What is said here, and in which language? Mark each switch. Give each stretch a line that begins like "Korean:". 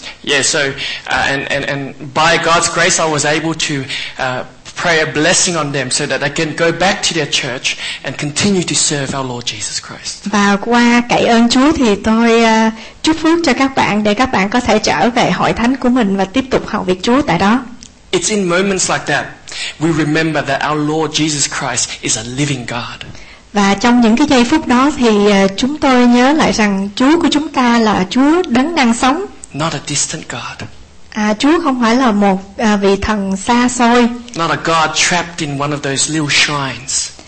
English: Yeah, so and by God's grace I was able to pray a blessing on them so that they can go back to their church and continue to serve our Lord Jesus Christ.
Vietnamese: Và qua cậy ơn Chúa thì tôi chúc phước cho các bạn để các bạn có thể trở về hội thánh của mình và tiếp tục hầu việc Chúa tại đó.
English: It's in moments like that we remember that our Lord Jesus Christ is a living God.
Vietnamese: Và trong những cái giây phút đó thì chúng tôi nhớ lại rằng Chúa của chúng ta là Chúa đấng đang sống.
English: Not a distant God.
Vietnamese: Chúa không phải là một vị thần xa xôi.
English: Not a God trapped in one of those little shrines.